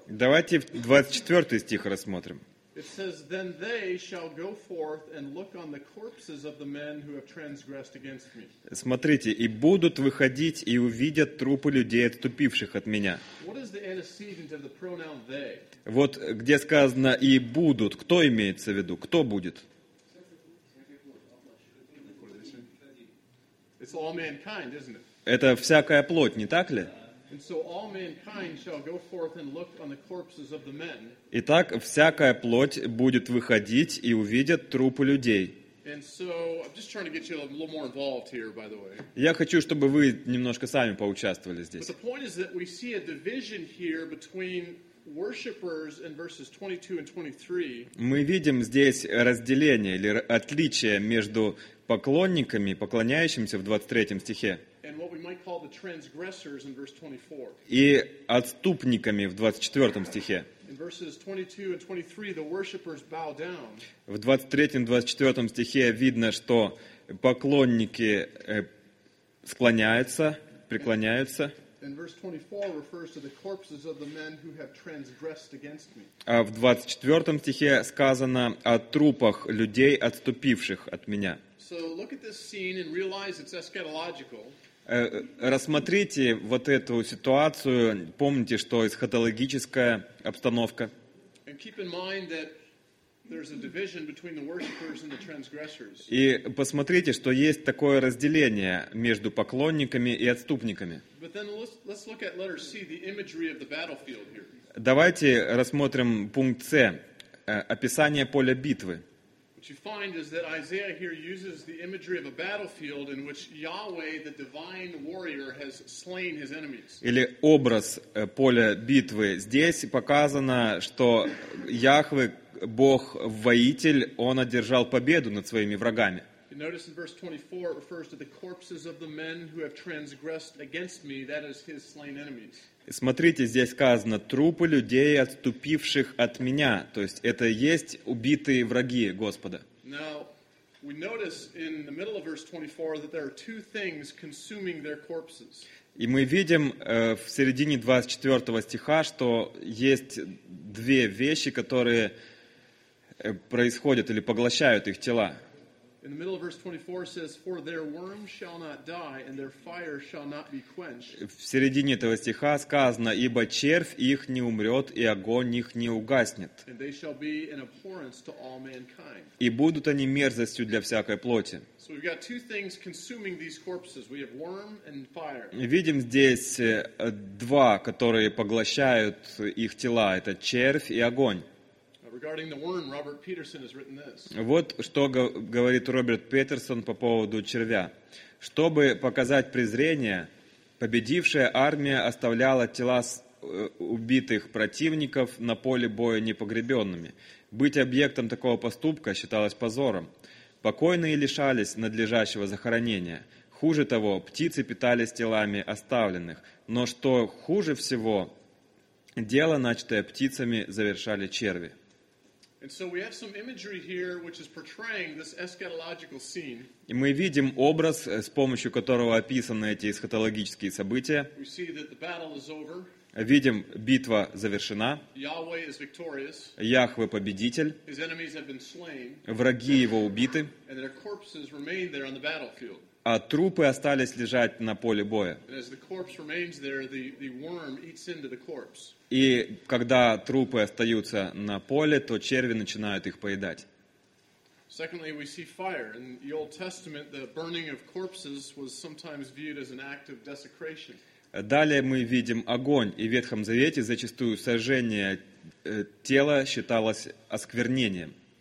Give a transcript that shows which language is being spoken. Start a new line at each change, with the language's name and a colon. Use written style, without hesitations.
Russian: Давайте 24 стих рассмотрим.
English: It says, then they shall go forth and look on the corpses of the men who have transgressed against me.
Russian: Смотрите, и будут выходить, и увидят трупы людей, отступивших от меня.
English: What is the antecedent of the pronoun they?
Russian: Вот где сказано «и будут». Кто имеется в виду? Кто будет?
English: It's all mankind, isn't it?
Russian: Это всякая плоть, не так ли?
English: And so all mankind shall go forth and look on the corpses of the men.
Russian: Итак, всякая плоть будет выходить и увидят трупы людей.
English: And so I'm just trying to get you a little more involved here, by the way.
Russian: Я хочу, чтобы вы немножко сами поучаствовали здесь.
English: But the point is that we see a division here between worshippers in verses 22 and 23.
Russian: Мы видим здесь разделение или отличие между поклонниками, поклоняющимися в 23 стихе.
English: And what we might call the transgressors in verse 24.
Russian: И отступниками в 24 стихе.
English: In verses 22 and 23, the worshippers bow down.
Russian: В 23-24 стихе видно, что поклонники склоняются, преклоняются.
English: And verse 24 refers to the corpses of the men who have transgressed against me.
Russian: А в 24 стихе сказано о трупах людей, отступивших от меня.
English: So look at this scene and realize it's eschatological.
Russian: Рассмотрите вот эту ситуацию, помните, что эсхатологическая обстановка.
English: And keep in mind that there's a division between the worshipers and the transgressors.
Russian: И посмотрите, что есть такое разделение между поклонниками и отступниками.
English: But then let's look at letter C, the imagery of the battlefield here.
Russian: Давайте рассмотрим пункт С, описание поля битвы.
English: What you find is that Isaiah here uses the imagery of a battlefield in which Yahweh, the divine warrior, has slain his enemies.
Russian: Или образ поля битвы. Здесь показано, что Яхве, Бог-воитель, он одержал победу над своими врагами.
English: You notice in verse 24 it refers to the corpses of the men who have transgressed against me, that is his slain enemies.
Russian: Смотрите, здесь сказано трупы людей, отступивших от меня, то есть это есть убитые враги Господа.
English: Now, we notice in the middle of verse 24 that there are two things consuming their corpses.
Russian: И мы видим в середине 24 стиха, что есть две вещи, которые происходят или поглощают их тела.
English: In the middle of verse 24 says, "For their worm shall not die, and their fire shall not be quenched."
Russian: В середине этого стиха сказано, ибо червь их не умрет, и огонь их не угаснет.
English: And they shall be an abhorrence to all mankind.
Russian: И будут они мерзостью для всякой плоти.
English: So we've got two things consuming these corpses. We have worm and fire.
Russian: Видим здесь два, которые поглощают их тела. Это червь и огонь.
English: Regarding the worm, Robert Peterson has written this.
Russian: Вот что говорит Роберт Петерсон по поводу червя. Чтобы показать презрение, победившая армия оставляла тела убитых противников на поле боя непогребенными. Быть объектом такого поступка считалось позором. Покойные лишались надлежащего захоронения. Хуже того, птицы питались телами оставленных. Но что хуже всего, дело, начатое птицами, завершали черви.
English: And so we have some imagery here which is portraying this eschatological scene.
Russian: И мы видим образ, с помощью которого описаны эти эсхатологические события.
English: We see that the battle is over.
Russian: Видим, битва завершена.
English: Yahweh is victorious.
Russian: Яхве победитель.
English: His enemies have been slain.
Russian: Враги его убиты.
English: And their corpses remain there on the battlefield.
Russian: А трупы остались лежать на поле боя.
English: And as the corpse remains there, the worm eats into the corpse.
Russian: И когда трупы остаются на поле, то черви начинают их поедать. Далее мы видим огонь, и в Ветхом Завете зачастую сожжение тела считалось осквернением.